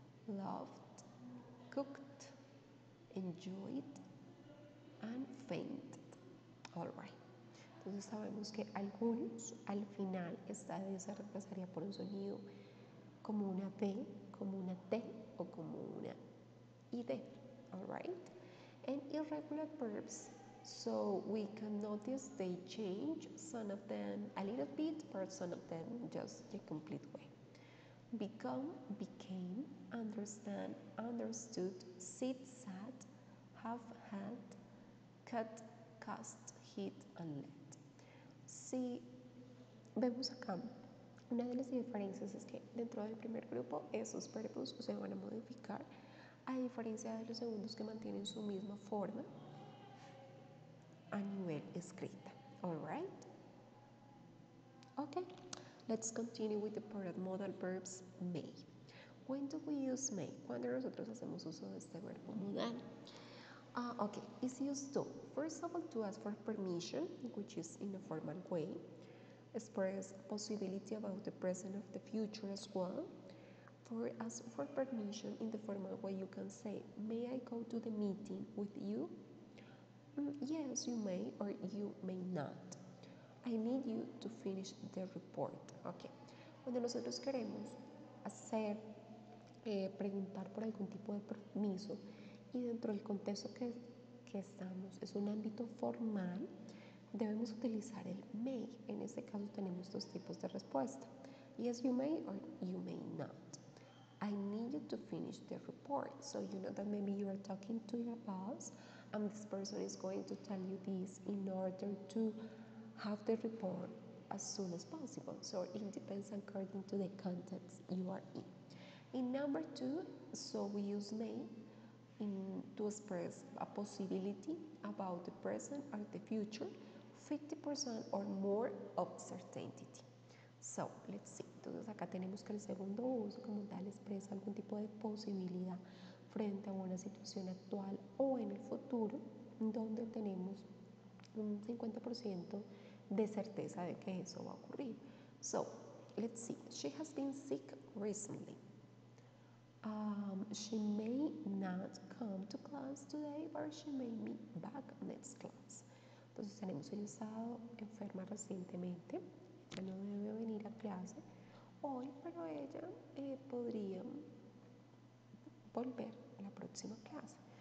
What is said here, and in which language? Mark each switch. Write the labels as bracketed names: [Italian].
[English] Loved, cooked. Enjoyed and fainted. All right. [Spanish] Entonces sabemos que algunos al final esta D se reemplazaría por un sonido como una B, como una T o como una ID. [English] All right. And irregular verbs. So we can notice they change some of them a little bit, but some of them just a complete way. Become, became, understand, understood, sit, sat, have, had, cut, cast, hit, and let. [Spanish] Si vemos acá, una de las diferencias es que dentro del primer grupo esos verbos se van a modificar, a diferencia de los segundos que mantienen su misma forma a nivel escrita. [English] All right? Okay. Let's continue with the part of modal verbs, may. When do we use may? [Spanish] ¿Cuándo nosotros hacemos uso de este verbo modal? [English] Okay, it's used to, first of all, to ask for permission, which is in a formal way, express possibility about the present of the future as well. For ask for permission in the formal way, you can say, may I go to the meeting with you? Yes, you may, or you may not. I need you to finish the report. Okay. [Spanish] Cuando nosotros queremos hacer, preguntar por algún tipo de permiso y dentro del contexto que estamos es un ámbito formal, debemos utilizar el may. En este caso tenemos dos tipos de respuesta. [English] Yes, you may or you may not. I need you to finish the report. So you know that maybe you are talking to your boss and this person is going to tell you this in order to have the report as soon as possible. So it depends according to the context you are in. In number two, so we use may in to express a possibility about the present or the future, 50% or more of certainty. So let's see. [Spanish] Entonces acá tenemos que el segundo uso como tal expresa algún tipo de posibilidad frente a una situación actual o en el futuro donde tenemos un 50% de certeza de que eso va a ocurrir. [English] So, let's see. She has been sick recently. She may not come to class today, but she may be back next class. [Spanish] Entonces, tenemos ella estado enferma recientemente. Ella no debe venir a clase hoy, pero ella podría volver a la próxima clase.